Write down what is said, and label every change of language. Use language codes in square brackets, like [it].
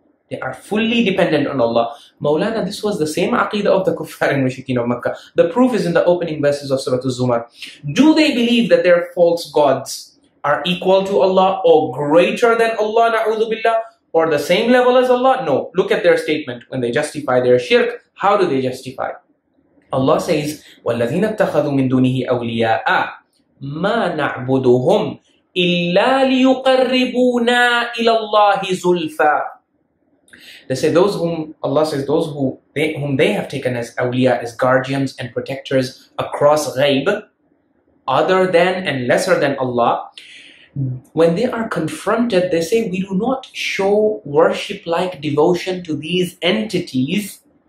[en] They are fully dependent on Allah. Mawlana, this was the same aqidah of the kuffar and mushrikeen of Makkah. The proof is in the opening verses of Surah Az-Zumar. Do they believe that their false gods are equal to Allah or greater than Allah, na'udhu billah, or the same level as Allah? No. Look at their statement when they justify their shirk. How do they justify? Allah says, [ar] وَالَّذِينَ اتَّخَذُوا مِن دُونِهِ أَوْلِيَاءَ مَا نَعْبُدُهُمْ إِلَّا لِيُقَرِّبُونَا إِلَى اللَّهِ زُلْفَى. [en] They say, those whom, Allah says, those who they, whom they have taken as awliya, as guardians and protectors across ghaib, other than and lesser than Allah, when they are confronted, they say, we do not show worship-like devotion to these entities.